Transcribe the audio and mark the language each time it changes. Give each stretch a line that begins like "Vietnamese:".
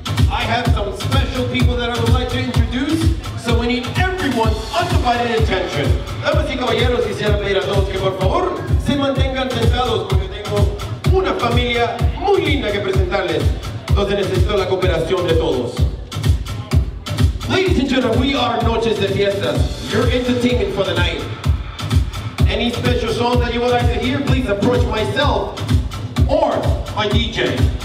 English: I have some special people that I would like to introduce, so we need everyone's undivided attention.
Spanish: Damas y caballeros, quisiera pedir a todos que por favor se mantengan sentados porque tengo una familia muy linda que presentarles. Entonces necesito la cooperación de todos.
English: Ladies and gentlemen, we are Noches de Fiestas, your entertainment for the night. Any special song that you would like to hear, please approach myself or my DJ.